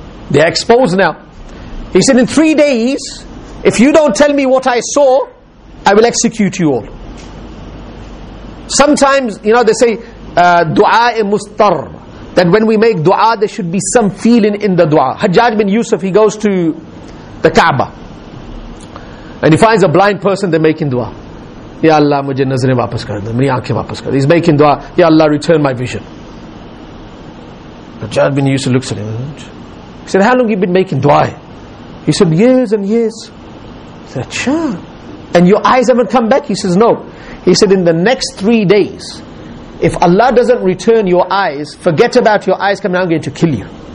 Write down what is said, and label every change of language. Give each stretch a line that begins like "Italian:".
English: They're exposed now. He said, in 3 days, if you don't tell me what I saw, I will execute you all. Sometimes, you know, they say, dua mustar. That when we make dua, there should be some feeling in the dua. Hajjaj bin Yusuf, he goes to the Kaaba. And he finds a blind person, they're making dua.
Urdu: یا اللہ، مجھے نظریں واپس کر دے، میری آنکھیں واپس کر دے۔
English: He's making dua. Ya Allah, return my vision. Hajjaj bin Yusuf looks at him. He said, how long have you been making dua? He said, years and years. He said، اچھا۔ And your eyes haven't come back? He says, no. He said, in the next 3 days, if Allah doesn't return your eyes, forget about your eyes coming, I'm going to kill you.